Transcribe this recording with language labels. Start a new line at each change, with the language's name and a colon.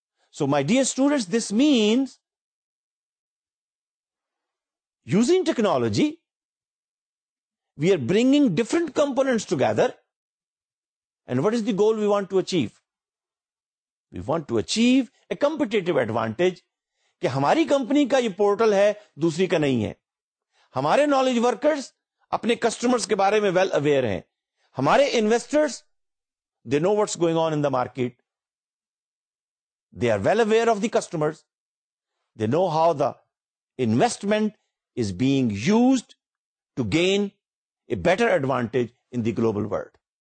English: So, my dear students, this means using technology, we are bringing different components together. And what is the goal we want to achieve? We want to achieve a competitive advantage.
Urdu: کہ ہماری company کا یہ portal ہے, دوسری کا نہیں ہے. ہمارے نالج ورکرز اپنے کسٹمرز کے بارے میں ویل اویئر ہیں.
English: ہمارے investors, they know what's going on in the market, they are well aware of the customers, they know how the investment is being used to gain a better advantage in the global world.